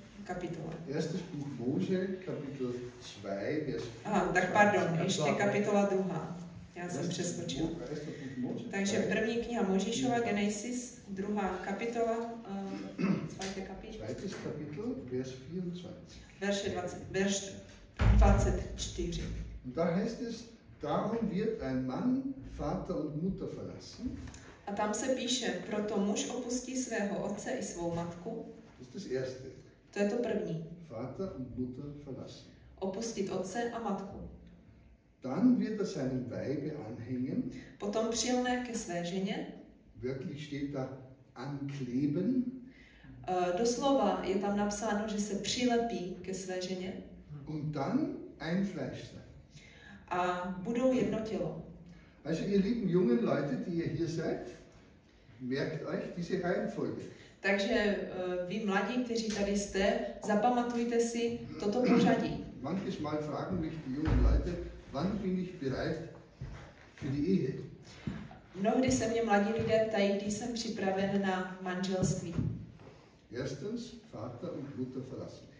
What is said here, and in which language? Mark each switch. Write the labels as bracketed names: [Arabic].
[Czech] kapitole. [German] Erstes Buch Mose, Kapitel 2, Vers 4. [Czech] Aha, tak pardon, ještě kapitola 2. Já jsem přeskočil. Takže první kniha Mojžíšova, Genesis, 2. kapitola, 2. kapitol, verš 24. Verše 24. [German] Und da heißt es, Darum wird ein Mann Vater und Mutter verlassen. [Czech] A tam se píše, proto muž opustí svého otce i svou matku. To je [German] das erste. [Czech] To je to první. [German] Vater und Mutter verlassen. [Czech] Opustit otce a matku. [German] Dann wird er seinem Weibe anhängen. [Czech] Potom přilne ke své ženě. [German] Wirklich steht da ankleben. [Czech] Doslova je tam napsáno, že se přilepí ke své ženě. [German] Und dann ein Fleisch sein. [Czech] A budou jedno tělo. [German] Also ihr lieben jungen Leute, die ihr hier seid, merkt euch diese Reihenfolge. [Czech] Takže vy mladí, kteří tady jste, zapamatujte si toto pořadí. [German] Manches Mal fragen mich die jungen Leute, wann bin ich bereit für die Ehe? [Czech] Mnohdy se mě mladí lidé ptají, kdy jsem připraven na manželství. [German] Erstens, Vater und Mutter verlassen.